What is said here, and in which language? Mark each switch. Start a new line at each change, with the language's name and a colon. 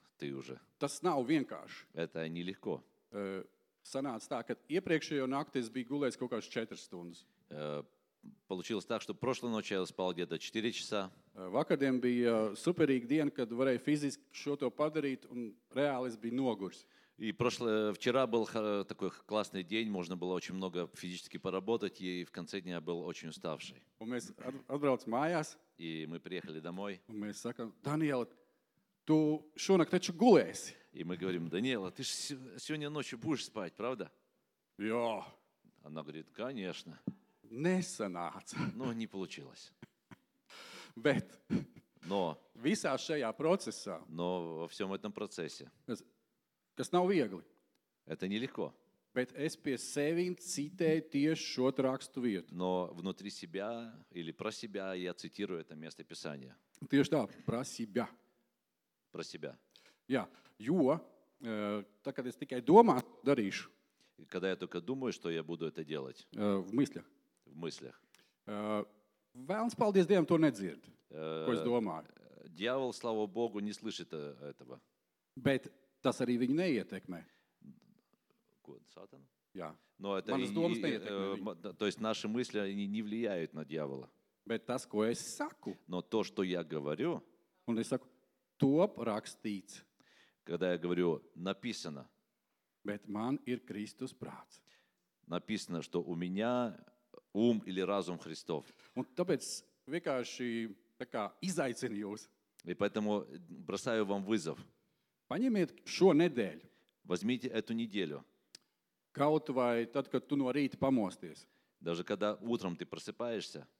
Russian: ты уже.
Latvian: Tas nav vienkārši.
Russian: Это не легко.
Latvian: Sanāca tā, ka iepriekšējo nakti es biju gulējis kaut kādas 4 stundas.
Russian: Получилось так, что прошлой ночью я спал где-то 4 часа.
Latvian: Vakardien bija superīga diena, kad varēju fiziski šo to padarīt, un reāli es biju noguris.
Russian: И вчера был такой классный день, можно было очень много физически поработать, и в конце дня был очень уставший.
Latvian: Un mēs atbraucam mājās.
Russian: И мы приехали домой.
Latvian: Un mēs sakam, Daniela, tu šonakt taču gulēsi.
Russian: И мы говорим, Даниэла, ты же сегодня ночью будешь спать, правда?
Latvian: Jā.
Russian: Она говорит, конечно.
Latvian: Nesanāca.
Russian: Ну, не получилось.
Latvian: Bet.
Russian: Но.
Latvian: Visā šajā procesā.
Russian: Но во всем этом процессе.
Latvian: Kas nav viegli.
Russian: Это нелегко.
Latvian: Bet es pie sevim citēju tieši šo rakstu vietu.
Russian: Но внутри себя или про себя я цитирую это место писания.
Latvian: Tieši tā,
Russian: про себя. Про себя.
Latvian: Jā, jo, tā kad es tikai domāju, darīšu.
Russian: Когда я только думаю, что я буду это делать. В мыслях. В мыслях.
Latvian: Vēlns, paldies Dievam, to nedzird, ko es domāju.
Russian: Дьявол, слава Богу, не слышит этого.
Latvian: Bet tas arī viņu neietekmē. Ko, Сатана? Jā.
Russian: Но это
Latvian: Manas domas neietekmē viņu.
Russian: То есть наши мысли, они не влияют на дьявола.
Latvian: Bet tas, ko es saku.
Russian: Но то, что я говорю.
Latvian: Un es saku. Top rakstīts.
Russian: Когда я говорю, написано.
Latvian: Bet man ir Kristus prāts.
Russian: Написано, что у меня ум или разум Христов.
Latvian: Un tāpēc vienkārši tā kā izaicinu jūs.
Russian: И поэтому бросаю вам вызов.
Latvian: Paņemiet šo nedēļu.
Russian: Возьмите эту неделю.
Latvian: Kaut vai tad, kad tu no rīta pamosties.
Russian: Даже когда утром ты просыпаешься.